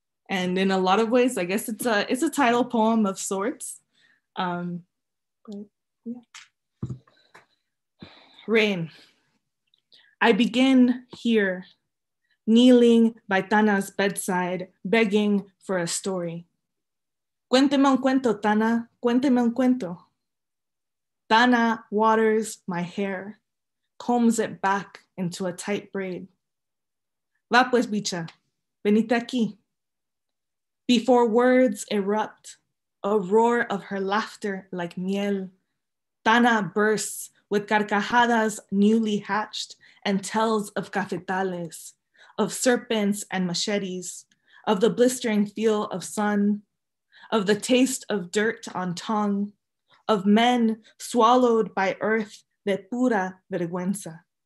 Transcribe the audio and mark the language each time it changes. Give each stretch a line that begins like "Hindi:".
English: And in a lot of ways, I guess it's a title poem of sorts. Rain. I begin here, kneeling by Tana's bedside, begging for a story.
Spanish: Cuénteme un cuento, Tana, cuénteme un cuento.
English: Tana waters my hair, combs it back into a tight braid.
Spanish: Va pues, bicha, venite aquí.
English: Before words erupt, a roar of her laughter like miel, Tana bursts with carcajadas newly hatched and tells of cafetales, of serpents and machetes, of the blistering feel of sun, of the taste of dirt on tongue, of men swallowed by earth
Spanish: de pura vergüenza.